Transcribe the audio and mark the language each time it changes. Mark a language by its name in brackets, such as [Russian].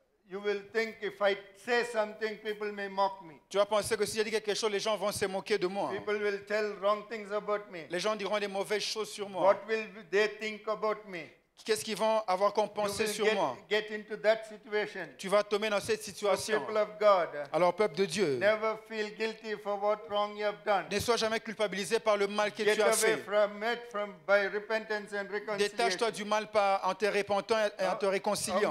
[English] You will think if I say something, people may mock me. [French] Tu vas penser que si je dis quelque chose, les gens vont se moquer de moi. [English] People will tell wrong things about me. [French] Les gens diront des mauvaises choses sur moi. [English] What will they think about me? [French] Qu'est-ce qu'ils vont avoir comme pensée sur moi? [English] Get into that situation. [French] Tu vas tomber dans cette situation. [English] So people of God, [French] alors peuple de Dieu, [English] never feel guilty for what wrong you have done. [French] Ne sois jamais culpabilisé par le mal que [English] get [French] tu as fait. [English] From it, from, by repentance and reconciliation. [French] Détache-toi du mal par, en te repentant et en te réconciliant.